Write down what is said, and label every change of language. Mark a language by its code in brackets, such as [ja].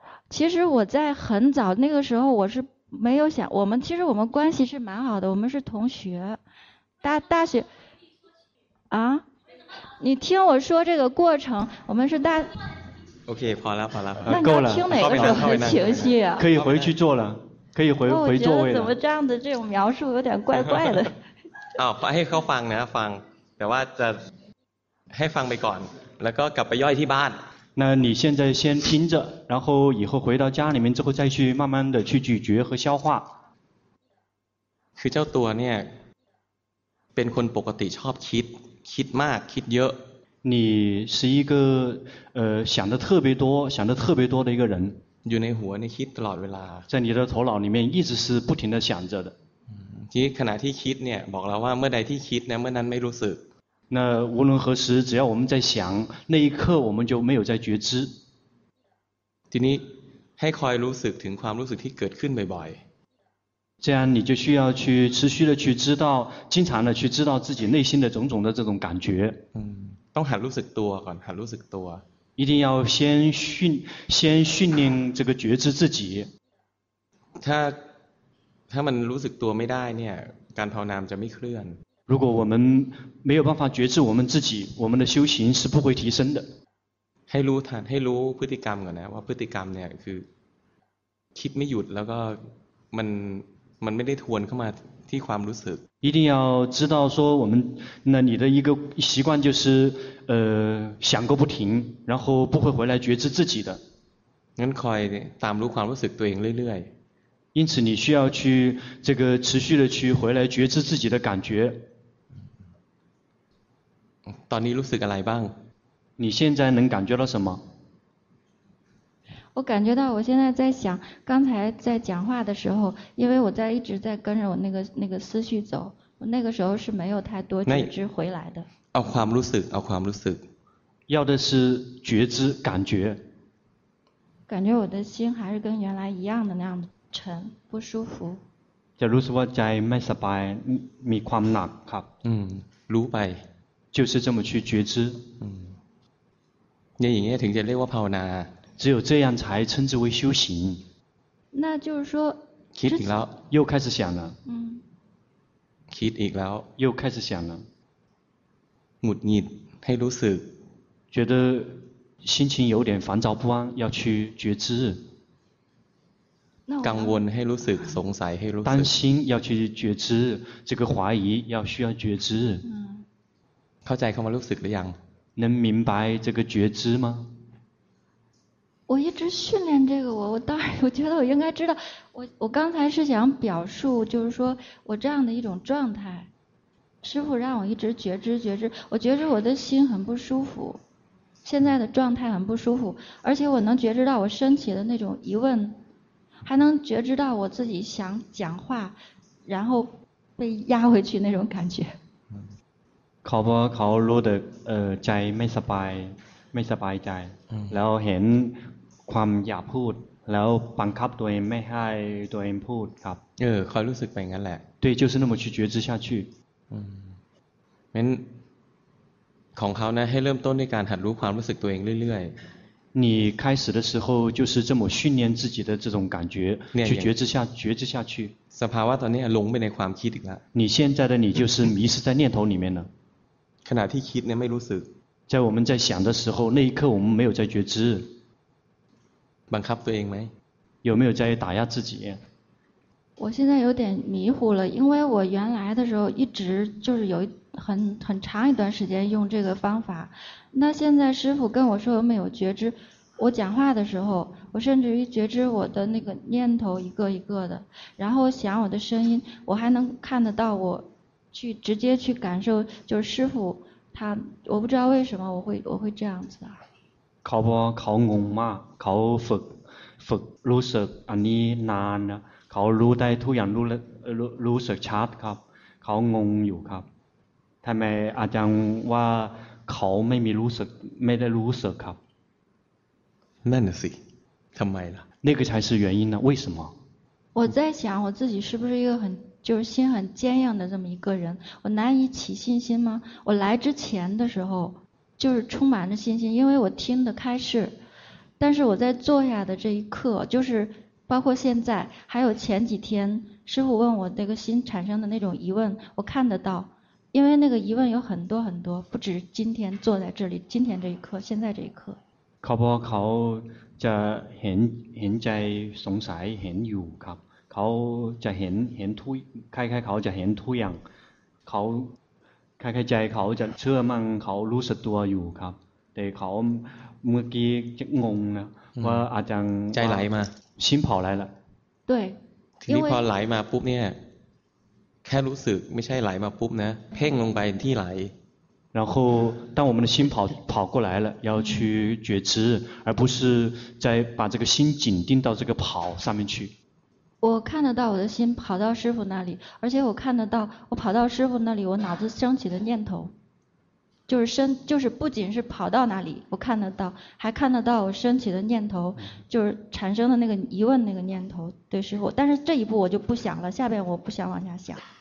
[zh] 其实我在很早那个时候我是没有想，我们关系是蛮好的，我们是同学，大学啊，你听我说这个过程，我们是大。 OK， 跑了，够了。听哪个时候很清晰啊？可以回去坐了，可以回座位了。我觉得怎么这样子，这种描述有点怪怪的。 [th] 啊，ให้เขาฟังนะฟัง，แต่ว่าจะให้ฟังไปก่อน，แล้วก็กลับไปย่อยที่บ้าน。 [zh] 那你现在先听着，然后以后回到家里面之后再去慢慢的去咀嚼和消化。 [th] คือเจ้าตัวเนี่ยเป็นคนปกติชอบคิดคิดมากคิดเยอะ [zh] 你是一个想的特别多想的特别多的一个人 [th] อยู่ในหัวในคิดตลอดเวลา [zh] 在你的头脑里面一直是不停的想着的 [th] ทีขณะที่คิดเนี่ยบอกแล้วว่าเมื่อใดที่คิดเนี่ยเมื่อนั้นไม่รู้สึก [zh] 那无论何时只要我们在想那一刻我们就没有在觉知 [th] ทีนี้ให้คอยรู้สึกถึงความรู้สึกที่เกิดขึ้นบ่อย [zh] 这样你就需要去持续的去知道经常的去知道自己内心的种种的这种感觉 [th] ต้องหัดรู้สึกตัวก่อนหัดรู้สึกตัว [zh] 一定要先训练这个觉知自己 [th] ถ้ามันรู้สึกตัวไม่ได้เนี่ยการภาวนาจะไม่เคลื่อน [zh] 如果我们没有办法觉知我们自己我们的修行是不会提升的 [th] ให้รู้ทันให้รู้พฤติกรรมก่อนนะว่าพฤติกรรมเนี่ยคือคิดไม่หยุดแล้วก็มันไม่ได้ทวนเข้ามาที่ความรู้สึก [zh] 一定要知道说我们那你的一个习惯就是想过不停然后不会回来觉知自己的 [th] งั้นคอยตามรู้ความรู้สึกตัวเองเรื่อย [zh] ๆ因此你需要去这个持续的去回来觉知自己的感觉 [th] ตอนนี้รู้สึกอะไรบ้าง [zh] 你现在能感觉到什么我感觉到我现在在想刚才在讲话的时候因为我在一直在跟着我那个思绪走我那个时候是没有太多觉知回来的 [th] เอาความรู้สึกเอาความรู้สึก [zh] 要的是觉知感觉感觉我的心还是跟原来一样的那样的沉不舒服 [th] จะรู้สึกว่าใจไม่สบายมีความหนักครับ รู้ไป [zh] 就是这么去觉知 [th] อย่างนี้ถึงจะเรียกว่าภาวนา [zh] 只有这样才称之为修行那就是说 [th] คิดอีกแล้ว [zh] 又开始想了 [th] คิดอีกแล้ว [zh] 又开始想了 [th] หงุดหงิดให้รู้สึก [zh] 觉得心情有点烦躁不安要去觉知 [th] กังวลให้รู้สึกสงสัยให้รู้สึก [zh] 担心要去觉知这个怀疑要需要觉知 [th] เข้าใจคำว่ารู้สึกหรือยัง [zh] 能明白这个觉知吗我一直训练这个我当然我觉得我应该知道我刚才是想表述就是说我这样的一种状态师父让我一直觉知我觉知我的心很不舒服现在的状态很不舒服而且我能觉知到我身体的那种疑问还能觉知到我自己想讲话然后被压回去那种感觉 [th] เขาบอกเขารู้แต่ใจไม่สบายใจแล้วเห็นความอยากพูดแล้วบังคับตัวเองไม่ให้ตัวเองพูดครับ เออคอยรู้สึกไปงั้นแหละ [zh] 对就是那么去觉知下去 [th] งั้นของเขานะให้เริ่มต้นในการหัดรู้ความรู้สึกตัวเองเรื่อย [zh] ๆ你开始的时候就是这么训练自己的这种感觉去觉知下去 [th] สภาวะตอนนี้หลงไปในความคิดอีกแล้ว [zh] 你现在的你就是迷失在念头里面了 [th] ขณะที่คิดเนี่ยไม่รู้สึก [zh] 在我们在想的时候那一刻我们没有在觉知 [th] บังคับตัวเองไหม [zh] 有没有在打压自己我现在有点迷糊了因为我原来的时候一直就是有很长一段时间用这个方法那现在师父跟我说有没有觉知我讲话的时候我甚至于觉知我的那个念头一个一个的然后想我的声音我还能看得到我去直接去感受就是师父他我不知道为什么我会这样子啊 [th] เขาบอกเขางงมากเขาฝึกรู้สึกอันนี้นานนะเขารู้ได้ทุกอย่างรู้สึกชัดครับเขางงอยู่ครับทำไมอาจารย์ว่าเขาไม่มีรู้สึกไม่ได้รู้สึกครับ นั่นสิทำไมล่ะ [zh] 那个才是原因呢为什么我在想我自己是不是一个很就是心很坚硬的这么一个人我难以起信心吗我来之前的时候就是充满着信心因为我听得开示但是我在坐下的这一刻就是包括现在还有前几天师父问我那个心产生的那种疑问我看得到因为那个疑问有很多很多不止今天坐在这里今天这一刻现在这一刻 [th] เขาบอกเขาจะเห็นใจสงสัยเห็นอยู่ครับเขาจะเห็นทุยคล้ายๆเขาจะเห็นทุอย่างเขาคล้ายๆใจเขาจะเชื่อมั่งเขารู้สึกตัวอยู่ครับแต่เขา เมื่อกี้จะงงนะว่าอาจารย์ ใจไหลมา ชิมเผาไหลละ ด้วย ทีนี้พอไหลมาปุ๊บเนี่ยแค่รู้สึกไม่ใช่ไหลมาปุ๊บนะเพ่งลงไปที่ไหล [zh] 然后当我们的心跑过来了要去觉知而不是再把这个心紧盯到这个跑上面去我看得到我的心跑到师父那里而且我看得到我跑到师父那里我脑子升起的念头就是身就是不仅是跑到哪里我看得到还看得到我升起的念头就是产生的那个疑问那个念头对师父但是这一步我就不想了下边我不想往下想